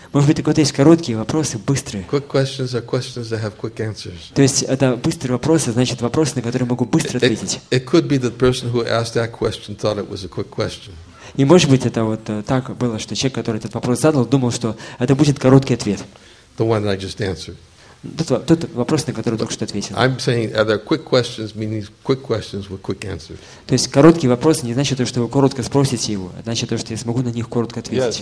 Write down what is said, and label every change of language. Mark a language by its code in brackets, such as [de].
[ru] Может быть, у кого-то есть короткие вопросы, быстрые. [en] Quick questions are questions that have quick answers. [ru] То есть это быстрые вопросы, значит вопросы, на которые могу быстро ответить. [en] It could be that the person who asked that question thought it was a quick question. [ru] И может быть, это вот так было, что человек, который этот вопрос задал, думал, что это будет короткий ответ. [en] The one that I just answered. [ru] Тот вопрос, на который только что ответил. [en] I'm saying are there quick questions, meaning quick questions with quick answers. [ru] То есть короткий вопрос не значит то, что вы коротко спросите его, а значит то, что я смогу на них коротко ответить.